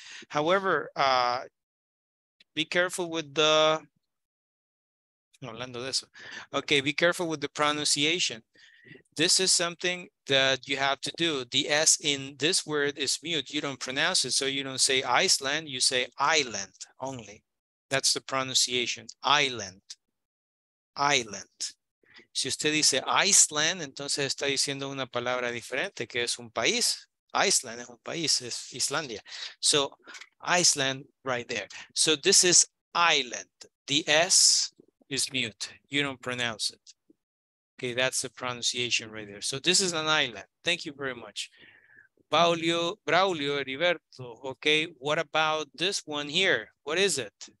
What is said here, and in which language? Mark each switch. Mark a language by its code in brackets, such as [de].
[en] However, be careful with the... [es] Hablando de eso. [en] Okay, be careful with the pronunciation. This is something that you have to do. The S in this word is mute. You don't pronounce it, so you don't say Iceland, you say island only. That's the pronunciation, island, island. [es] Si usted dice Iceland, entonces está diciendo una palabra diferente, que es un país. Iceland es un país, es Islandia. [en] So, Iceland right there. So, this is island. The S is mute. You don't pronounce it. Okay, that's the pronunciation right there. So this is an island. Thank you very much. Braulio Heriberto. Okay, what about this one here? What is it?